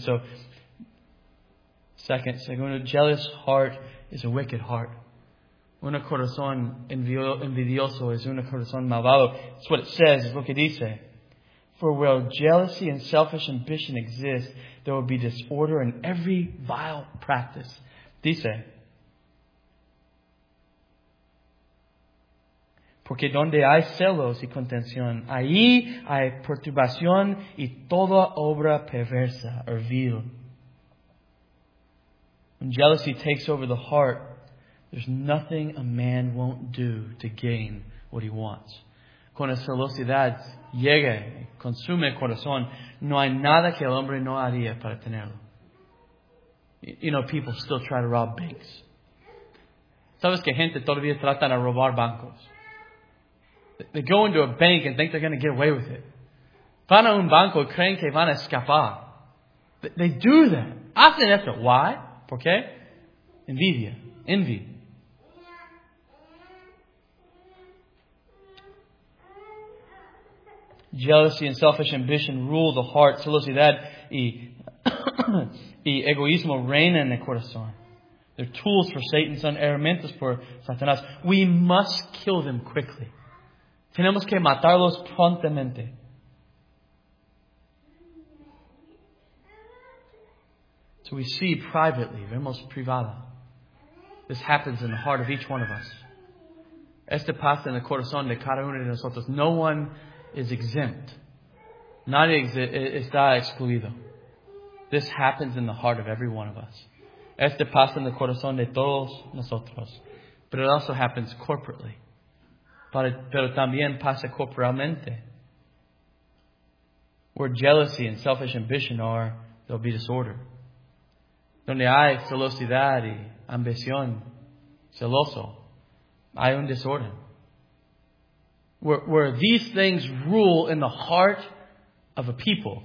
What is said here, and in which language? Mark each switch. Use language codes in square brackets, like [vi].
[en] So, second, a jealous heart is a wicked heart. [es] Un corazón envidioso es un corazón malvado. [en] That's what it says. [es] Es lo que dice. [en] For where jealousy and selfish ambition exist, there will be disorder in every vile practice. [es] Dice, porque donde hay celos y contención, ahí hay perturbación y toda obra perversa or vil. [en] When jealousy takes over the heart, there's nothing a man won't do to gain what he wants. [es] Con la celosidad llega, consume el corazón, no hay nada que el hombre no haría para tenerlo. [en] You know, people still try to rob banks. [es] Sabes que gente todavía tratan de robar bancos. [en] They go into a bank and think they're going to get away with it. [es] Van a un banco y creen que van a escapar. [en] They do that. [es] Hacen eso. Why? ¿Por qué? Envidia. Envy. [en] Jealousy and selfish ambition rule the heart. [es] Celosidad y egoísmo reinan el corazón. [en] They're tools for Satan, [es] son herramientas por Satanás. [en] We must kill them quickly. [es] Tenemos que matarlos prontamente. [en] So we see privately, [es] vemos privada. [en] This happens in the heart of each one of us. [es] Este pasa en el corazón de cada uno de nosotros. [en] No one is exempt. [es] Nadie está excluido. [en] This happens in the heart of every one of us. [es] Este pasa en el corazón de todos nosotros. [en] But it also happens corporately. [es] Pero también pasa corporalmente. [en] Where jealousy and selfish ambition are, there'll be disorder. [es] Donde hay celosidad y ambición, celoso, hay un desorden. [en] Where these things rule in the heart of a people.